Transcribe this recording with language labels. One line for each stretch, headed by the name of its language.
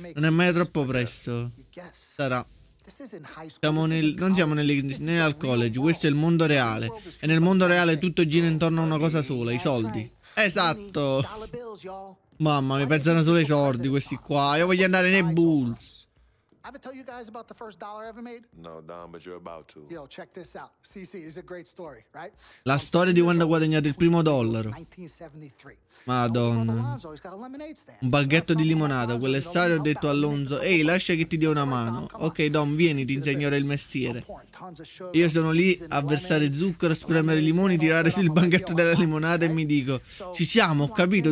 Italian: Non è mai troppo presto. Sarà. Siamo nel, non siamo né al college, questo è il mondo reale. E nel mondo reale tutto gira intorno a una cosa sola, i soldi. Esatto. Mamma, mi pensano solo ai soldi questi qua. Io voglio andare nei Bulls.
English: Ever tell you guys about the first dollar ever made? No, Don, but you're about to. Yo, check this out. CC, this is a great story, right?
Italian: La storia di quando ho guadagnato il primo dollaro. Madonna. Un baghetto di limonata. Quell'estate ho detto a Alonzo, ehi, lascia che ti dia una mano. Ok, Don, vieni, ti insegnerò il mestiere. Io sono lì a versare zucchero, spremere limoni, tirare sul banchetto della limonata e mi dico, ci siamo, ho capito.